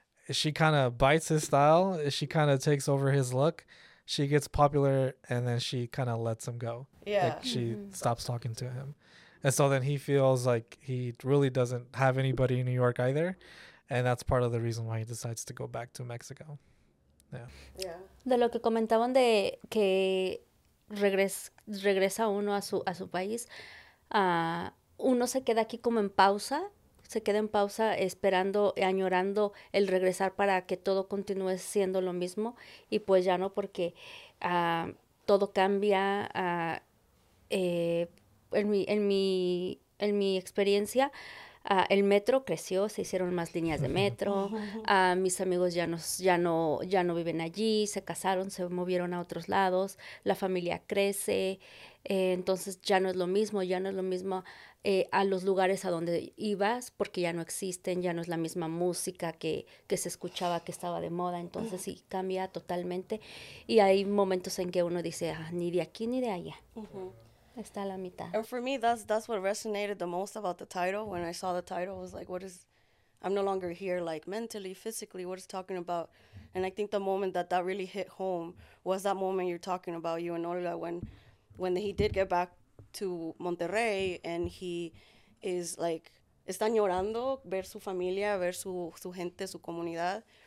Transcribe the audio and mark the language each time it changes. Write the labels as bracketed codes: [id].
[en] She kind of bites his style. She kind of takes over his look. She gets popular, and then she kind of lets him go. Yeah. Like, she stops talking to him. And so then he feels like he really doesn't have anybody in New York either. And that's part of the reason why he decides to go back to Mexico. Yeah. [es] De lo que comentaban de que regresa uno a su país, uno se queda aquí como en pausa. Se queda en pausa esperando, añorando el regresar para que todo continúe siendo lo mismo. Y pues ya no, porque todo cambia. En mi experiencia, El metro creció, se hicieron más líneas de metro. Mis amigos ya no viven allí, se casaron, se movieron a otros lados, la familia crece, entonces ya no es lo mismo, ya no es lo mismo a los lugares a donde ibas, porque ya no existen, ya no es la misma música que se escuchaba, que estaba de moda. Entonces sí, cambia totalmente. Y hay momentos en que uno dice, ah, ni de aquí ni de allá. Está a la mitad. [en] And for me, that's what resonated the most about the title. When I saw the title, I was like, what is, I'm no longer here, like mentally, physically, what is talking about? And I think the moment that really hit home was that moment you're talking about, you and Olga, when he did get back to Monterrey and he is like, [es] está llorando ver su familia, ver su gente, su comunidad.